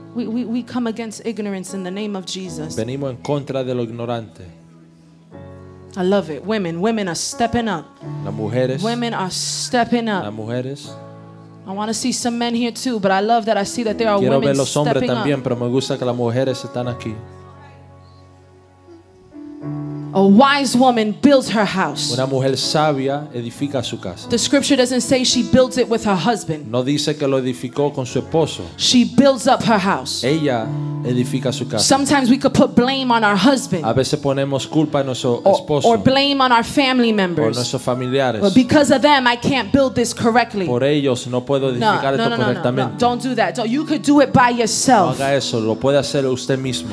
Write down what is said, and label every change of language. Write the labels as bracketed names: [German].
[English] We come against ignorance in the name of Jesus. [Spanish] Venimos en contra de lo ignorante. [English] I love it. Women are stepping up. [Spanish] Las mujeres. [English] Women are stepping up. [Spanish] Las mujeres. [English] I want to see some men here too, but I love that I see that there are [Spanish] quiero [English] women [Spanish] ver los hombres [English] stepping [Spanish] también, [English] up. [Spanish] Pero me gusta que las mujeres están aquí. [English] A wise woman builds her house. [Spanish] Una mujer sabia edifica su casa. [English] The scripture doesn't say she builds it with her husband. [Spanish] No dice que lo edificó con su esposo. [English] She builds up her house. [Spanish] Ella edifica su casa. [English] Sometimes we could put blame on our husband. [Spanish] A veces ponemos culpa en nuestro esposo. [English] Or blame on our family members. [Spanish] Por nuestros familiares. [English] But because of them, I can't build this correctly. [Spanish] Por ellos no puedo edificar esto correctamente. [English] No, don't do that. Don't, you could do it by yourself. [Spanish] No haga eso. Lo puede hacer usted mismo.